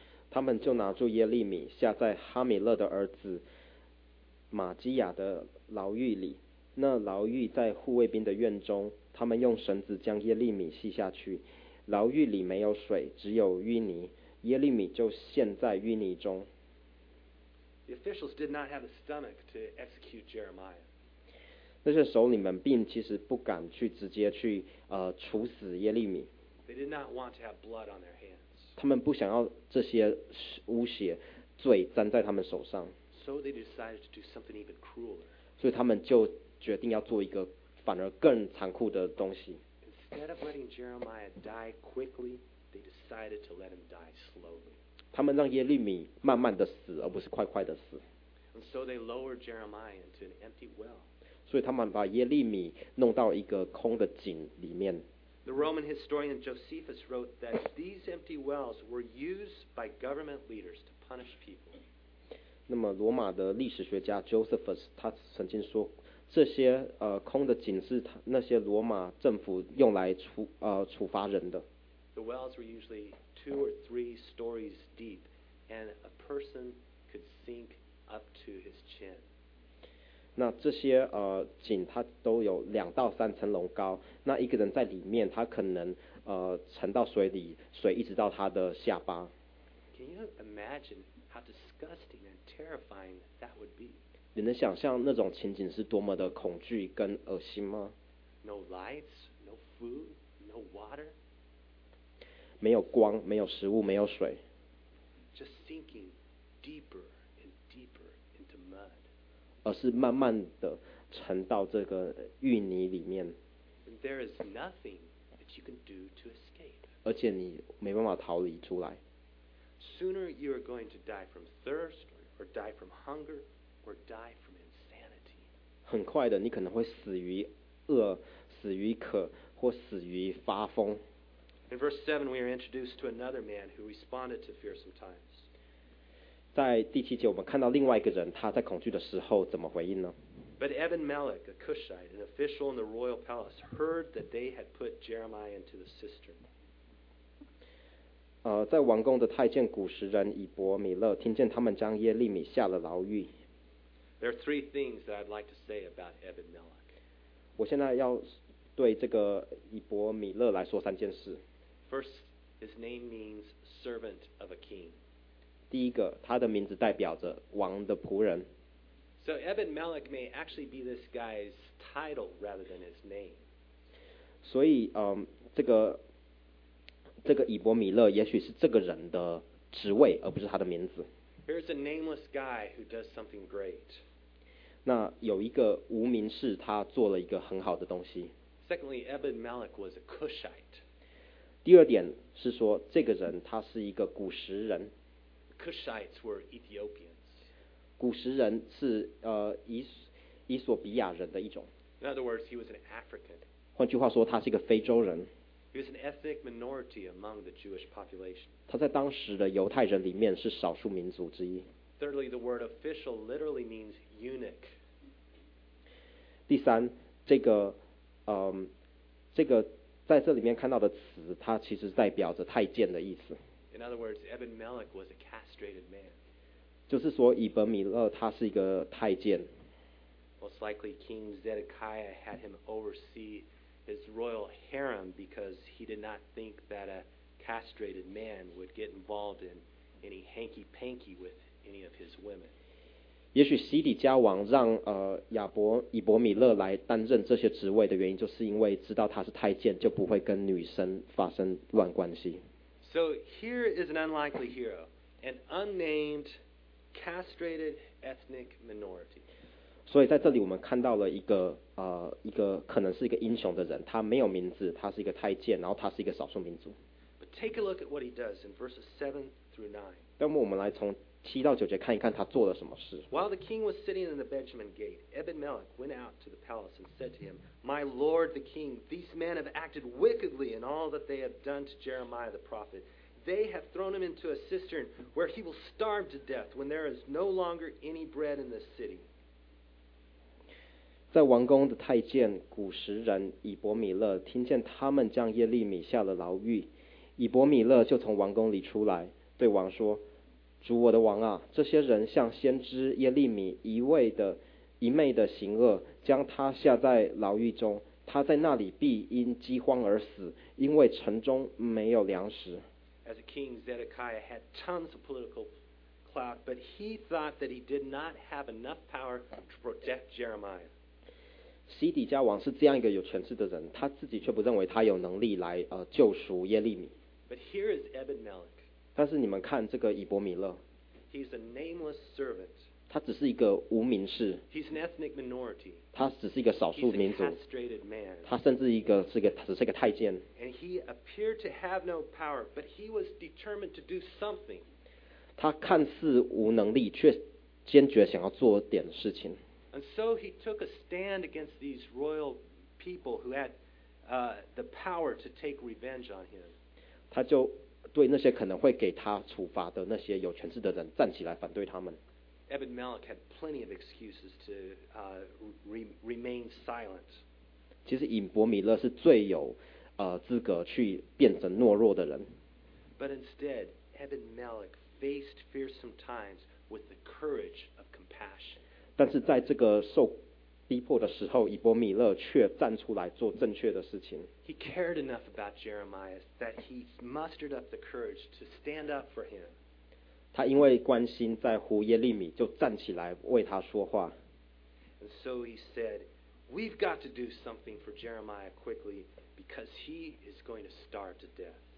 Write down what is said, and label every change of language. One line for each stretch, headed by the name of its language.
Chinese: 他们就拿住耶利米，下在哈米勒的儿子马基亚的牢狱里。那牢狱在护卫兵的院中。他们用绳子将耶利米系下去。牢狱里没有水，只有淤泥。耶利米就陷在淤泥中。
English: The officials did not have the stomach to execute Jeremiah.
Chinese: 那些首领们并其实不敢去直接去处死耶利米。
English: They did not want to have blood on their hands.
Chinese: 他们不想要这些污血罪沾在他们手上。
English: So they decided to do something even crueler.
Chinese: 所以他们就决定要做一个反而更残酷的东西。
English: Instead of letting Jeremiah die quickly, they decided to let him die slowly.
Chinese: 他们让耶利米慢慢的死，而不是快快的死。
English: And so they lowered Jeremiah into an empty well.
Chinese: 所以他们把耶利米弄到一个空的井里面。
English: The Roman historian Josephus wrote that these empty wells were used by government leaders to punish people.
Chinese: 那么罗马的历史学家 Josephus 他曾经说，这些空的井是那些罗马政府用来处罚人的。
English: The wells were usually two or three stories deep, and a person could sink up to his chin.
Chinese: 那这些井它都有两到三层楼高，那一个人在里面，他可能沉到水里，水一直到他的下巴。
English: Can you imagine how disgusting and terrifying that would be?
Chinese: 你能想象那种情景是多么的恐惧跟恶心吗？
English: No lights, no food, no water.
Chinese: 没有光，没有食物，没有水。
English: Just sinking deeper and deeper into mud.
Chinese: 而是慢慢的沉到这个淤泥里面。
English: And there is nothing that you can do to escape.
Chinese: 而且你没办法逃离出来。
English: Sooner you are going to die from thirst, or die from hunger, or die from insanity.
Chinese: 很快的，你可能会死于饿、死于渴或死于发疯。
English: In verse 7, we are introduced to another man who responded to fearsome times.
Chinese: 在第七节，我们看到另外一个人，他在恐惧的时候怎么回应呢？
English: But Ebed-Melech, a Cushite, an official in the royal palace, heard that they had put Jeremiah into the cistern.
Chinese: 在王宫的太监古实人以伯米勒听见他们将耶利米下了牢狱。
English: There are three things that I'd like to say about Ebed-Melech.
Chinese: 我现在要对这个以伯米勒来说三件事。
English: First, his name means servant of a king.
Chinese: 第一个，他的名字代表着王的仆人。
English: So Ebed-Melech may actually be this guy's title rather than his name.
Chinese: 所以，这个以伯米勒也许是这个人的职位，而不是他的名字。
English: Here's a nameless guy who does something great.
Chinese: 那有一个无名氏，他做了一个很好的东西。
English: Secondly, Ebed-Melech was a Cushite.
Chinese: 第二点是说，这个人他是一个古实人。
English: Cushites were Ethiopians.
Chinese: 古实人是以索比亚人的一种。
English: In other words, he was an African.
Chinese: 换句话说，他是一个非洲人。
English: He was an ethnic minority among the Jewish population.
Chinese: 他在当时的犹太人里面是少数民族之一。
English: Thirdly, the word official literally means eunuch.
Chinese: 第三，这个在这里面看到的词，它其实代表着太监的意思。
English: In other words, Ebed-Melech was a castrated man.
Chinese: 就是说，以伯米勒他是一个太监。
English: Most likely, King Zedekiah had him oversee his royal harem because he did not think that a castrated man would get involved in any hanky panky with any of his women.
Chinese: 也许西底家王让以伯米勒来担任这些职位的原因，就是因为知道他是太监，就不会跟女生发生乱关系。
English: So here is an unlikely hero, an unnamed, castrated ethnic minority.
Chinese: 所以在这里我们看到了一个可能是一个英雄的人，他没有名字，他是一个太监，然后他是一个少数民族。
English: But take a look at what he does in verses 7 through 9.
Chinese: 那么我们来从七到九节看一看他做了什么事。
English: While the king was sitting in the Benjamin gate, Ebed-Melech went out to the palace and said to him, My lord the king, these men have acted wickedly in all that they have done to Jeremiah the prophet. They have thrown him into a cistern where he will starve to death when there is no longer any bread in the city.
Chinese: 在王宫的太监古实人以伯米勒听见他们将耶利米下了牢狱，以伯米勒就从王宫里出来，对王说，主我的王啊，这些人像先知耶利米一昧的行恶，将他下在牢狱中，他在那里必因饥荒而死，因为城中没有粮食。
English: As a king, Zedekiah had tons of political clout, but he thought that he did not have enough power to protect Jeremiah.
Chinese: 西底家王是这样一个有权势的人，他自己却不认为他有能力来救赎耶利米。
English: But here is Ebed-Melech.
Chinese: 但是你们看这个以伯米勒，
English: He's a nameless servant.
Chinese: 他只是一个无名氏，
English: He's an ethnic minority.
Chinese: 他只是一个少数民族，
English: He's a castrated man.
Chinese: 他甚至只是一个太监，
English: And he appeared to have no power, but he was determined to do something.
Chinese: 他看似无能力，却坚决想要做点事情。
English: And so he took a stand against these royal people who had the power to take revenge on him.
Chinese: 他就对那些可能会给他处罚的那些有权势的人站起来反对他们。
English: Ebed-Melech had plenty of excuses to remain silent.
Chinese: 其实以伯米勒是最有资格去变成懦弱的人。
English: But instead, Ebed-Melech faced fearsome times with the courage of compassion.
Chinese: 但是在这个受逼迫的时候，以伯米勒却站出来做正确的事情。
English: He cared enough about Jeremiah that he mustered up the courage to stand up for him.
Chinese: 他因为关心在乎耶利米，就站起来为他说话。
English: And so he said, "We've got to do something for Jeremiah quickly because he is going to starve to death."